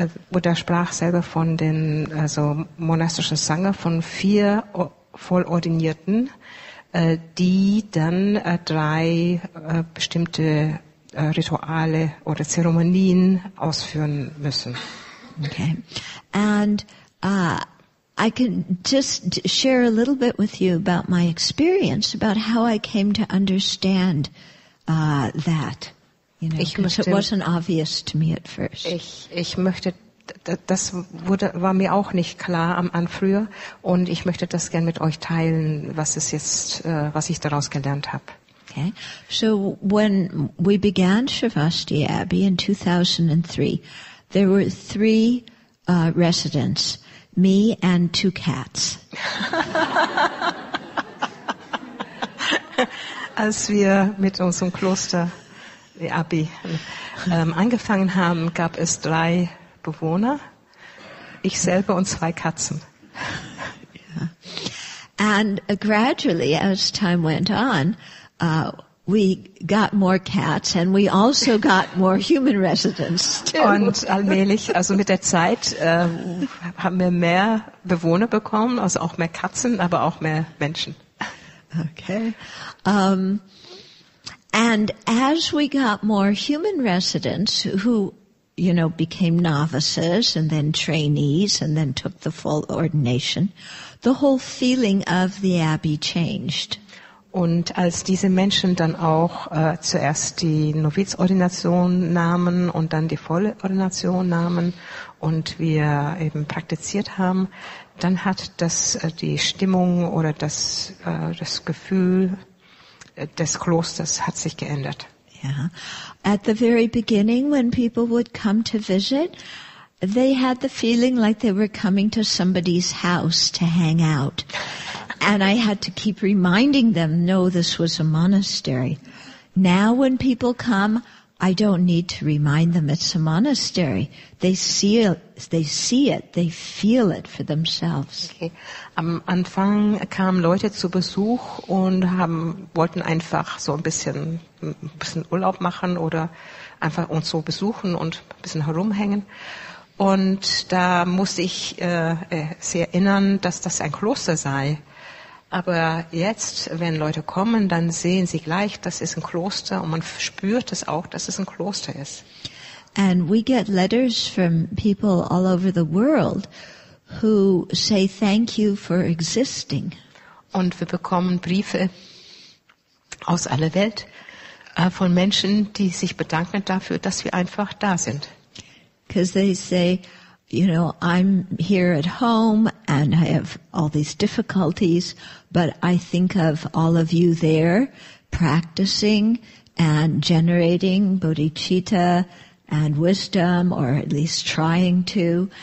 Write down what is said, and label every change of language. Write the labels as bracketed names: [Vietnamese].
[German] Buddha sprach selber von den monastischen Sangha von vier Vollordinierten, die dann drei bestimmte Rituale oder Zeremonien ausführen müssen. [English] Okay. And I can just share a little bit with you about my experience, about how I came to understand that. You know, because it wasn't obvious to me at first. [German] Ich möchte, das wurde, war mir auch nicht klar am Anfang früher, und ich möchte das gern mit euch teilen, was es jetzt, was ich daraus gelernt habe. [English] Okay. So when we began Shravasti Abbey in 2003, there were three residents, me and two cats. [German] Als wir mit unserem Kloster Abbey angefangen haben, gab es drei Bewohner, ich selber und zwei Katzen. [English] Yeah. And gradually, as time went on, we got more cats and we also got more human residents too. [German] Und allmählich, also mit der Zeit, haben wir mehr Bewohner bekommen, also auch mehr Katzen, aber auch mehr Menschen. [English] Okay. And as we got more human residents who, you know, became novices and then trainees and then took the full ordination, the whole feeling of the abbey changed. [German] Und als diese Menschen dann auch zuerst die Novizordination nahmen und dann die volle Ordination nahmen und wir eben praktiziert haben, dann hat das die Stimmung oder das das Gefühl des Klosters hat sich geändert. Ja. [English] At the very beginning, when people would come to visit, they had the feeling like they were coming to somebody's house to hang out. And I had to keep reminding them, no, this was a monastery. Now when people come, I don't need to remind them it's a monastery. They see it, they feel it for themselves. Okay. [German] Am Anfang kamen Leute zu Besuch und wollten einfach so ein bisschen Urlaub machen oder einfach uns so besuchen und ein bisschen herumhängen. Und da musste ich sie erinnern, dass das ein Kloster sei. Aber jetzt, wenn Leute kommen, dann sehen sie gleich, das ist ein Kloster, und man spürt es auch, dass es ein Kloster ist. [English] And we get letters from people all over the world who say thank you for existing. [German] Und wir bekommen Briefe aus aller Welt von Menschen, die sich bedanken dafür, dass wir einfach da sind. [English] Because they say, you know, I'm here at home and I have all these difficulties, but I think of all of you there practicing and generating bodhicitta and wisdom, or at least trying to.